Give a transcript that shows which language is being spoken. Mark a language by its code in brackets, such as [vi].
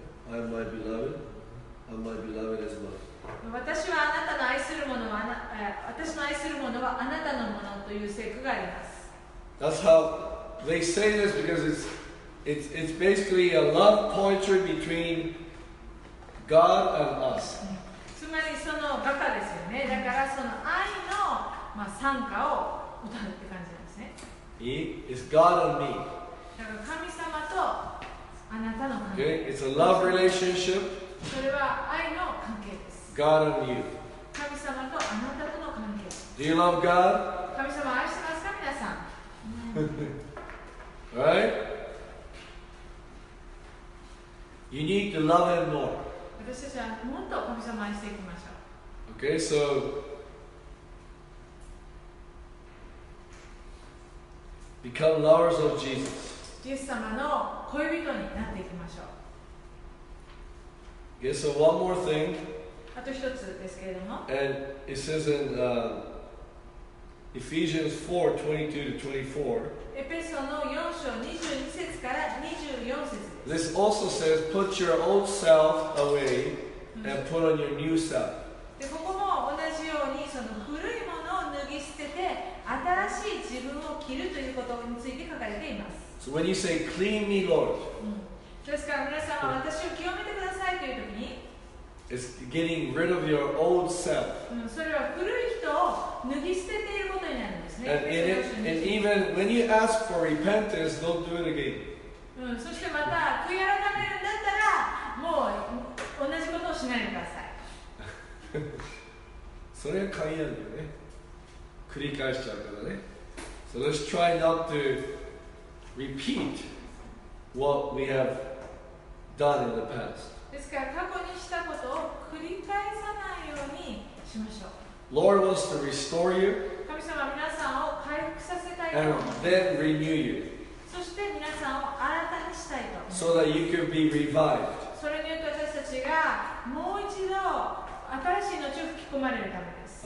[en] I am my beloved, and my beloved is mine. [ja] 私はあなたの愛するものは、私の愛するものはあなたのものという聖句があります。 [en] That's how they say this because it's basically a love poetry between God and us. [ja] つまりその画家ですよね。だからその愛の、まあ、賛歌を歌うって感じなんですね。 [en] It's God and me. [ja] だから神様とあなたの関係。 [en] Okay? It's a love relationship. [ja] それは愛の関係です。 [en] God and you. [ja] 神様とあなたとの関係。 [en] Do you love God? [ja] 神様愛してますか皆さん。 [en] Right? You need to love him more. [ja] 私たちはもっと神様を愛していきましょう。 [en] Okay, so become lovers of Jesus. [ja] イエス様の恋人になっていきましょう。 [en] Okay, so one more thing. [ja] あと一つですけれども。 [en] And it says in Ephesians 4, 22 to 24. [ja] エペソの4章22節から24節です。 [en] This also says, put your old self away and put on your new self. [ja] で、ここも同じようにその古いものを脱ぎ捨てて新しい自分を着るということについて書かれています。 [en] So when you say, clean me, Lord. [ja] ですから皆さんは私を清めてくださいというときに、 [en] It's getting rid of your old self. [ja] それは古い人を脱ぎ捨てていることになるんですね。 [en] And even when you ask for repentance, don't do it again. [ja] そしてまた悔い改めるんだったら、もう同じことをしないでください。それは鍵なんだよね。繰り返しちゃうからね。 [en] So let's try not to repeat what we have done in the past. [ja] ですから過去にしたことを繰り返さないようにしましょう。 [en] Lord wants to restore you. [ja] 神様は皆さんを回復させたいと。 [en] And then renew you. [ja] そして皆さんを新たにしたいと。 [en] So that you can be revived. [ja] それによって私たちがもう一度新しい命を吹き込まれるためです。